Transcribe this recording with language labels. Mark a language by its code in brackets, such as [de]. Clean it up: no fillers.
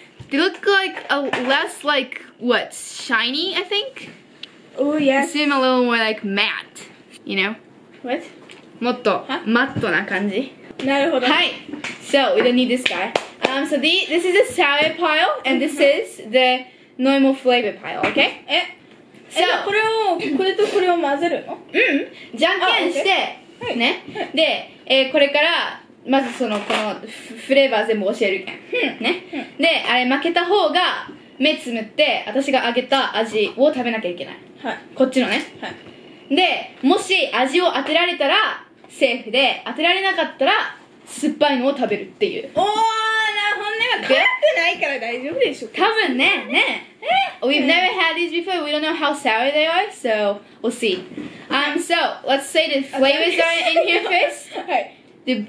[en] They look like a less like what shiny, I think. Oh yeah. Seem a little more like matte, you know. What? [ja] もっと、 [en] huh? [ja] マットな感じ。なるほど。はい。 [en] So we don't need this guy. So this is a sour pile, and this is the normal flavor pile. Okay. So, [ja] これをこれとこれを混ぜるの？うん。じゃんけんして、 [en] okay. [ja] ね。で、これからまずそのこのフレーバー全部教えるけん。ね。で、あれ負けた方が目つむって私があげた味を食べなきゃいけない。はい。こっちのね。はい。で、もし味を当てられたらセーフで当てられなかったら酸っぱいのを食べるっていう。おーな、ほんねは辛くないから大丈夫でしょ。多分ね、ね。 [en] We've never had these before. We don't know how sour they are, so we'll see. So let's say the flavors are in here first.